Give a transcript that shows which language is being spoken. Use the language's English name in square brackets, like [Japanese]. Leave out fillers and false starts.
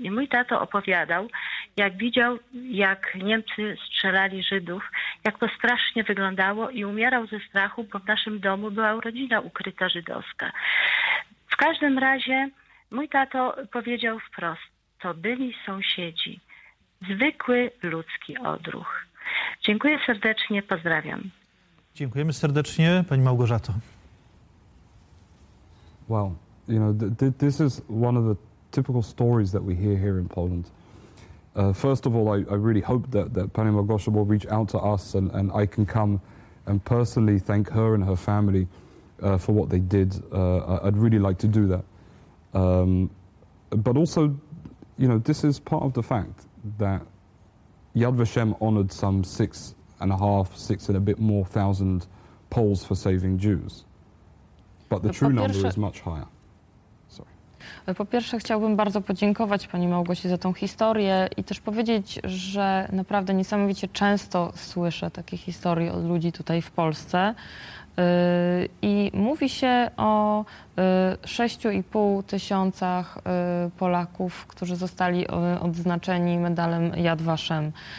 [Polish] I mój tato opowiadał, jak widział, jak Niemcy strzelali Żydów, jak to strasznie wyglądało i umierał ze strachu, bo w naszym domu była rodzina ukryta żydowska. W każdym razie mój tato powiedział wprost, to byli sąsiedzi, zwykły ludzki odruch. Dziękuję serdecznie, pozdrawiam. Dziękujemy serdecznie, Pani Małgorzato. [English] Well, you know, this is one of the typical stories that we hear here in Poland. First of all, I really hope that Pani Małgorzata will reach out to us and I can come and personally thank her and her family for what they did. I'd really like to do that. But also, you know, this is part of the fact that Yad Vashem honored some 6,500 Poles for saving Jews. But the true number is much higher. Sorry. [Polish] Po pierwsze, chciałbym bardzo podziękować Pani Małgosi za tą historię i też powiedzieć, że naprawdę niesamowicie często słyszę takie historie od ludzi tutaj w Polsce. I mówi się o 6,5 tysiącach Polaków, którzy zostali odznaczeni medalem Yad Vashem.